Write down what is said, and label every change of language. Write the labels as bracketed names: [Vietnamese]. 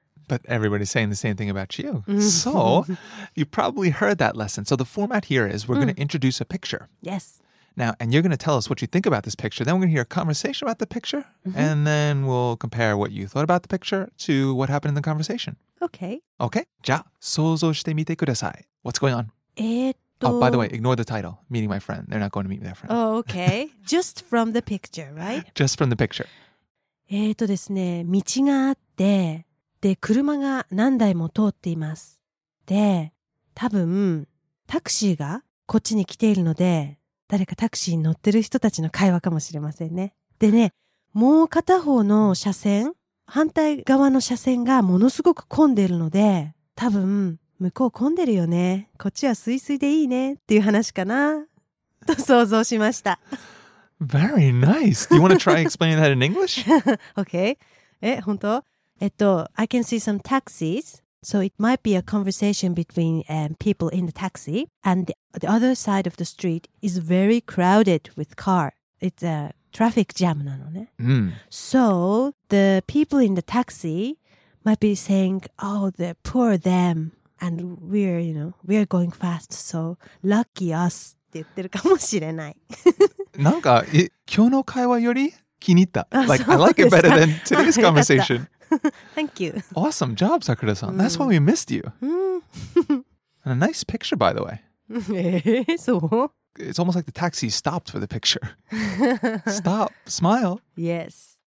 [English] But everybody's saying the same thing about you. So you probably heard that lesson. So the format here is we're going to introduce a picture. Yes. Now, and you're going to tell us what you think about this picture. Then we're going to hear a conversation about the picture. And then we'll compare what you thought about the picture to what happened in the conversation. Okay. Okay. [Japanese] じゃあ、想像してみてください。 [English] What's going on? Oh, by the way, ignore the title. Meeting my friend. They're not going to meet their friend. Oh, okay. Just from the picture, right? Just from the picture. [Japanese] ですね、道があって、で、車が何台も通っています。で、多分、タクシーがこっちに来ているので、誰かタクシーに乗ってる人たちの会話かもしれませんね。でね、もう片方の車線、反対側の車線がものすごく混んでるので、多分向こう混んでるよね。こっちはスイスイでいいねっていう話かなと想像しました。 [English] Very nice. Do you want to try explaining that in English? Okay. [Japanese] 本当？ [English] I can see some taxis. So it might be a conversation between people in the taxi. And the other side of the street is very crowded with car. It's a... Traffic jam [Japanese] なのね。 [English] Mm. So, the people in the taxi might be saying, oh, the poor them. And we're, you know, we're going fast. So, lucky us. [Japanese] って言ってるかもしれない。なんか、今日の会話より気に入った。 [English] Like, I like it better than today's conversation. Thank you. Awesome job, Sakura-san. Mm. That's why we missed you. Mm. And a nice picture, by the way. [Japanese] そう? [English] It's almost like the taxi stopped for the picture. Stop. Smile. Yes.